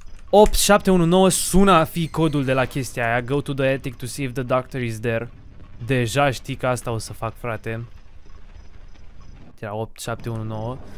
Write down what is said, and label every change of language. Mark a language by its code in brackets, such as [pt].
[ro] 8719 sună a fi codul de la chestia aia. [en] Go to the attic to see if the doctor is there. [ro] Deja știi că asta o să fac, frate. Era 8719.